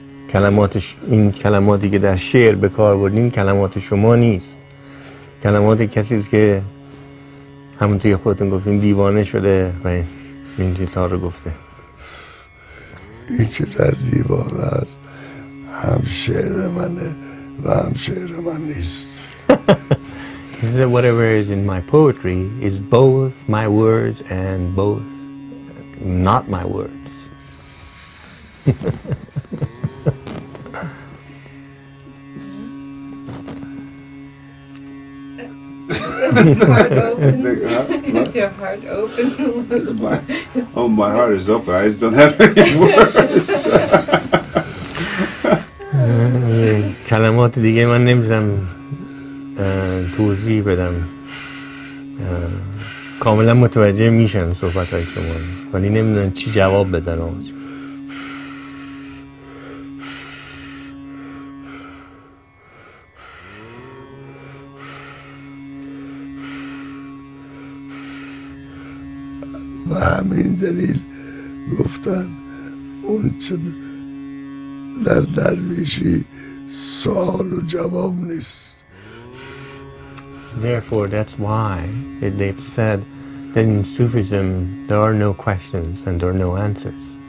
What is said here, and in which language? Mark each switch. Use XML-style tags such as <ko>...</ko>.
<fa>کلمات این کلماتی که در شعر به کار بردین کلمات شما نیست. کلمات کسی است که همون توی خودتون گفتین دیوانه شده و این چیزها رو گفته. این که در دیوانه است هم شعر منه و هم شعر من نیست.</fa> <en>He said, whatever is in my poetry is both my words and both not my words. Is your heart open? Is your heart open? Oh, my heart is open. I just don't have any words.</en> <fa>کلمات دیگه من نمیتونم توضیح بدم. کاملا متوجه میشن صحبت های شما ولی نمیدونم چی جواب بدن. و همین دلیل گفتن اون چه در درویشی سوال و جواب نیست.</fa> <en>Therefore, that's why they've said that in Sufism there are no questions and there are no answers.</en>